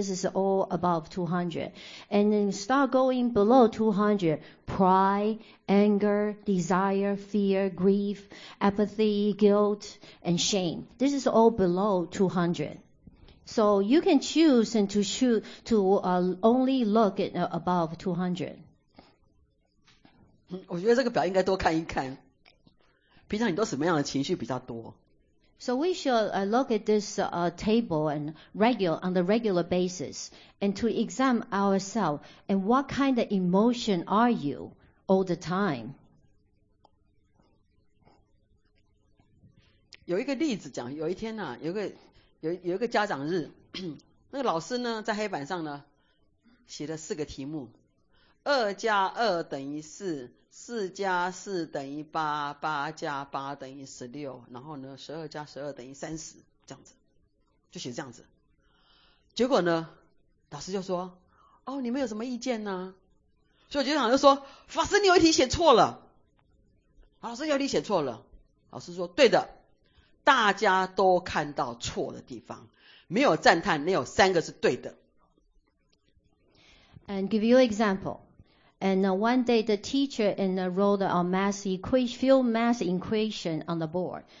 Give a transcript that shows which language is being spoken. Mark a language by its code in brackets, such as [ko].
[en] This is all above 200. And then start going below 200, pride, anger, desire, fear, grief, apathy, guilt, and shame. This is all below 200. So you can choose and to shoot to only look at above 200. [zh] 我觉得这个表应该多看一看。平常你都什么样的情绪比较多？ [en] So we should look at this table and on the regular basis and to examine ourselves and what kind of emotion are you all the time? [zh] 有一个例子讲，有一天呢、啊，有一个家长日，那个老师呢在黑板上呢写了四个题目：2+2=4。 4+4=8，8+8=16，然后呢12+12=30，这样子就写这样子。结果呢老师就说，哦，你们有什么意见呢？所以家长就说，法师你有一题写错了。老师有一题写错了。老师说，对的，大家都看到错的地方，没有赞叹，没有三个是对的。 [en] And give you example. And one day the teacher wrote a math equation on the board.